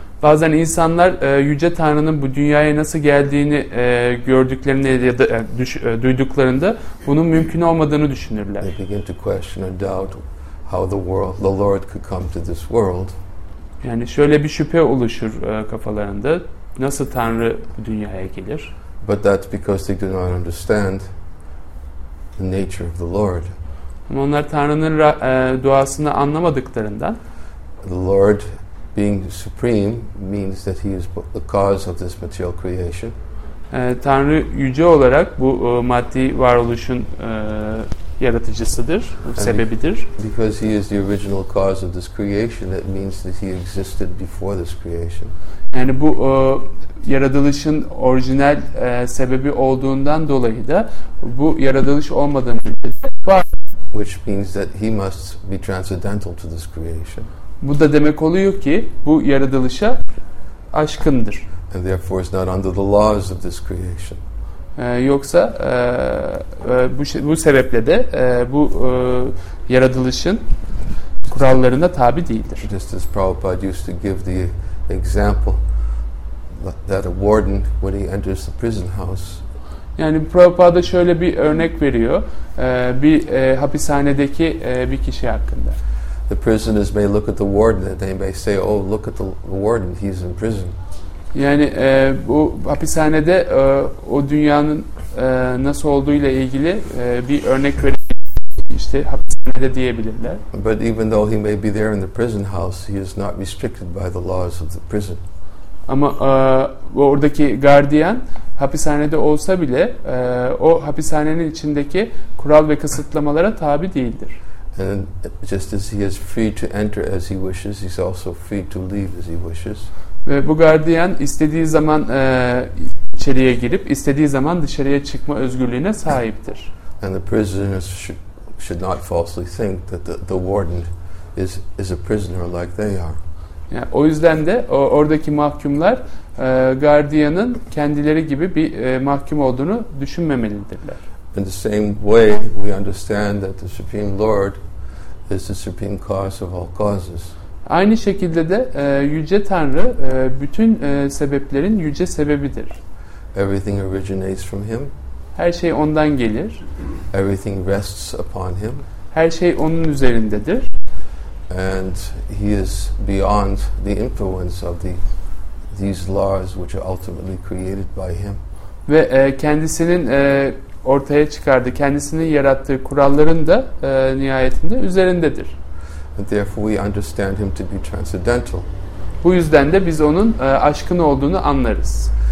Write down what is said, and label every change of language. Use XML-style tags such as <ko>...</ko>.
<tr>Bazen insanlar Yüce Tanrı'nın bu dünyaya nasıl geldiğini gördüklerinde ya da duyduklarında bunun mümkün olmadığını düşünürler.</tr> <en>They begin to question and doubt how the Lord could come to this world.</en> <tr>Yani şöyle bir şüphe oluşur kafalarında. Nasıl Tanrı bu dünyaya gelir?</tr> <en>But that's because they do not understand the nature of the Lord.</en> <tr>Ama onlar Tanrı'nın duasını anlamadıklarından,</tr> <en>the Lord being supreme means that he is the cause of this material creation.</en> <tr>Tanrı yüce olarak bu maddi varoluşun yaratıcısıdır, sebebidir.</tr> <en>Because he is the original cause of this creation, that means that he existed before this creation.</en> <tr>Yani bu yaratılışın orijinal sebebi olduğundan dolayı da bu yaratılış olmadan önce var.</tr> <en>Which means that he must be transcendental to this creation.</en> <tr>Bu da demek oluyor ki bu yaratılışa aşkındır.</tr> <en>And therefore is not under the laws of this creation.</en> <tr>Yoksa bu sebeple de bu yaratılışın kurallarına tabi değildir.</tr> <en>Just as Prabhupada used to give the example that a warden when he enters the prison house.</en> <tr>Yani Prabhupada şöyle bir örnek veriyor. Bir hapishanedeki bir kişi hakkında.</tr> <en>The prisoners may look at the warden and they may say, oh look at the warden, he's in prison.</en> <tr>Yani bu hapishanede o dünyanın nasıl olduğuyla ilgili bir örnek verebilirler. İşte hapishanede diyebilirler.</tr> <en>But even though he may be there in the prison house, he is not restricted by the laws of the prison.</en> <tr>Ama oradaki gardiyan hapishanede olsa bile o hapishanenin içindeki kural ve kısıtlamalara tabi değildir.</tr> <en>And just as he is free to enter as he wishes, he's also free to leave as he wishes.</en> <tr>Ve bu gardiyan istediği zaman içeriye girip istediği zaman dışarıya çıkma özgürlüğüne sahiptir.</tr> <en>And the prisoners should not falsely think that the warden is a prisoner like they are.</en> <tr>Yani o yüzden de oradaki mahkumlar gardiyanın kendileri gibi bir mahkum olduğunu düşünmemelidirler.</tr> <en>In the same way, we understand that the Supreme Lord is the supreme cause of all causes.</en> <tr>Aynı şekilde de yüce Tanrı bütün sebeplerin yüce sebebidir.</tr> <en>Everything originates from him.</en> <tr>Her şey ondan gelir.</tr> <en>Everything rests upon him.</en> <tr>Her şey onun üzerindedir.</tr> <en>And he is beyond the influence of these laws which are ultimately created by him.</en> <tr>Ve kendisinin ortaya çıkardığı, kendisinin yarattığı kuralların da nihayetinde üzerindedir.</tr> <en>And therefore we understand him to be transcendental.</en> <tr>Bu yüzden de biz onun aşkın olduğunu anlarız.</tr>